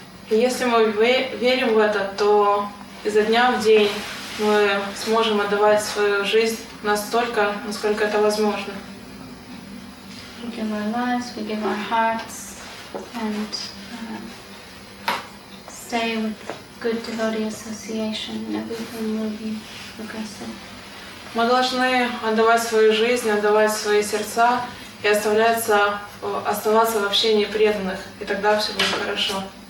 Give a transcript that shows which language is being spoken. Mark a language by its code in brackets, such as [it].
[ru] Если мы верим в это, то изо дня в день мы сможем отдавать свою жизнь настолько, насколько это возможно. [en] We give our lives, we give our hearts, and stay with good devotee association, and everything will be progressive. [ru] Мы должны отдавать свою жизнь, отдавать свои сердца и оставаться в общении преданных, и тогда все будет хорошо.